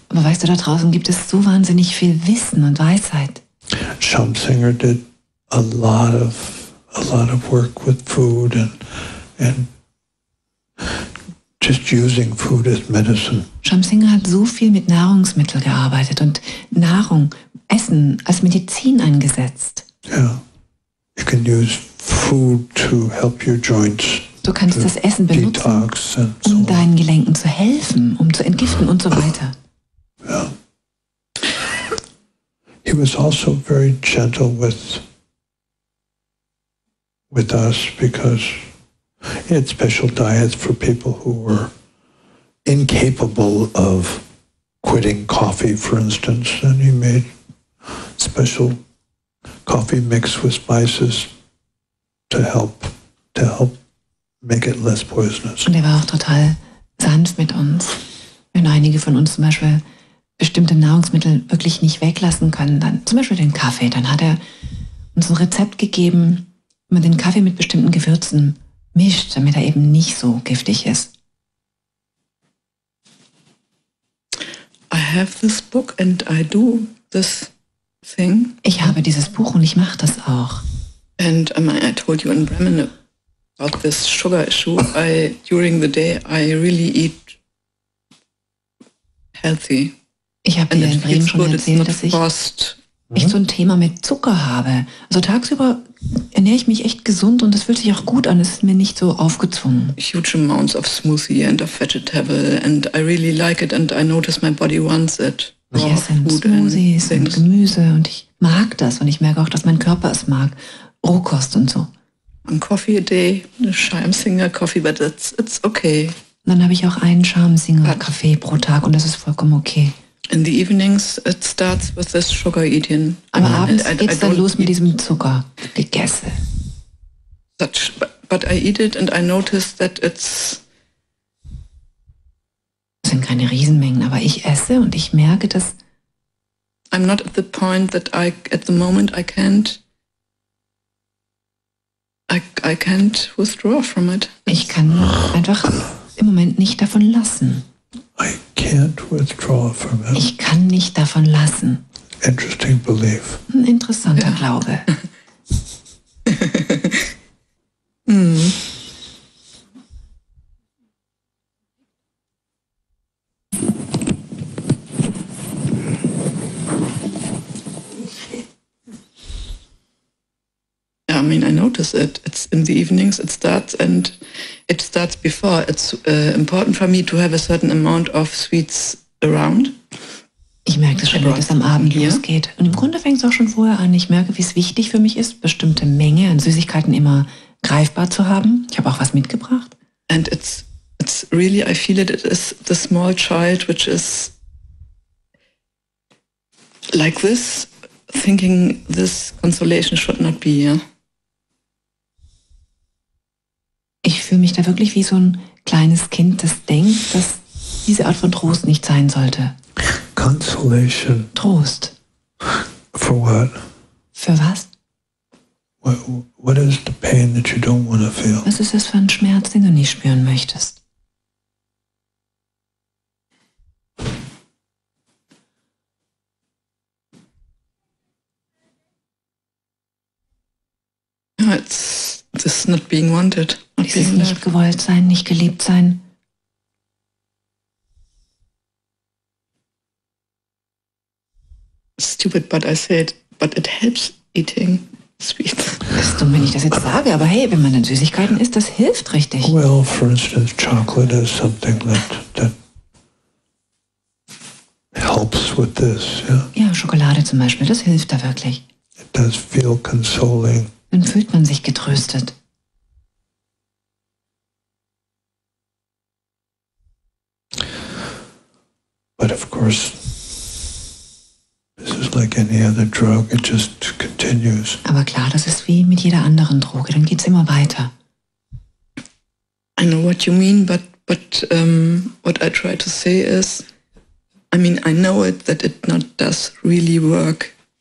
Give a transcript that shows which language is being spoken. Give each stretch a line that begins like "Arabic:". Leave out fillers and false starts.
German: Aber weißt du, da draußen gibt es so wahnsinnig viel Wissen und Weisheit.
English: Schumpfinger did a lot of work with food and just using food as medicine.
German: Schumpfinger hat so viel mit Nahrungsmitteln gearbeitet und Nahrung, Essen als Medizin eingesetzt. Ja.
English: You can use food to help your joints.
German: Du kannst das Essen benutzen, um deinen Gelenken zu helfen, um zu entgiften und so weiter.
English: Yeah. He was also very gentle with us because he had special diets for people who were incapable of quitting coffee, for instance, and he made special coffee mixed with spices to help make it less poisonous.
German: Und er war auch total sanft mit uns. Wenn einige von uns zum Beispiel bestimmte Nahrungsmittel wirklich nicht weglassen können, dann zum Beispiel den Kaffee, dann hat er uns ein Rezept gegeben, wie man den Kaffee mit bestimmten Gewürzen mischt, damit er eben nicht so giftig ist.
English: I have this book and I do this thing.
German: Ich habe dieses Buch und ich mache das auch.
English: And I told you in Bremen about this sugar issue. During the day I really eat healthy.
German: Ich habe dir in Bremen schon erzählt, dass ich so ein Thema mit Zucker habe. Also tagsüber ernähre ich mich echt gesund und es fühlt sich auch gut an. Es ist mir nicht so aufgezwungen.
English: Huge amounts of smoothie and of vegetable and I really like it and I notice my body wants it.
German: Ich esse Smoothies und Gemüse und ich mag das und ich merke auch, dass mein Körper es mag. Rohkost und so.
English: One coffee a day, a Schaumzinger coffee, but it's okay.
German: Und dann habe ich auch einen Schaumzinger Kaffee pro Tag und das ist vollkommen okay.
English: In the evenings it starts with this sugar eating.
German: Aber abends geht's dann los mit diesem Zucker gegessen.
English: But I eat it and I notice that it's.
German: Das sind keine Riesenmengen, aber ich esse und ich merke, dass.
English: I'm not at the point that I can't withdraw from it.
German: Ich kann einfach im Moment nicht davon lassen.
English: I can't withdraw from it.
German: Ich kann nicht davon lassen.
English: Interesting belief.
German: Ein interessanter Glaube.
English: I mean, I notice it. It's in the evenings. It starts and it starts before. It's important for me to have a certain amount of sweets around.
German: Ich merke das schon, wenn es am Abend losgeht. Und im Grunde fängt es auch schon vorher an. Ich merke, wie es wichtig für mich ist, bestimmte Menge an Süßigkeiten immer greifbar zu haben. Ich habe auch was mitgebracht.
English: And it's really, I feel it. It is the small child, which is like this. Thinking this consolation should not be here.
German: Ich fühle mich da wirklich wie so ein kleines Kind, das denkt, dass diese Art von Trost nicht sein sollte.
English: Consolation.
German: Trost.
English: For what?
German: Für was?
English: What is the pain that you don't want to feel?
German: Was ist das für ein Schmerz, den du nicht spüren möchtest?
English: It's not being wanted.
German: Dieses nicht gewollt sein, nicht geliebt sein.
English: Stupid, but I said, but it helps eating sweets.
German: Das ist dumm, wenn ich das jetzt sage, aber hey, wenn man dann Süßigkeiten isst, das hilft richtig.
English: Well, for instance, chocolate is something that helps with this, yeah?
German: Ja, Schokolade zum Beispiel, das hilft da wirklich.
English: It does feel consoling.
German: Dann fühlt man sich getröstet.
English: But of course, this is like any other drug. It just continues.
German: Aber klar, das ist wie mit jeder anderen Droge. Dann geht's immer weiter.
English: I know what you mean, but what I try to say is, I mean, I know it that it not does really work.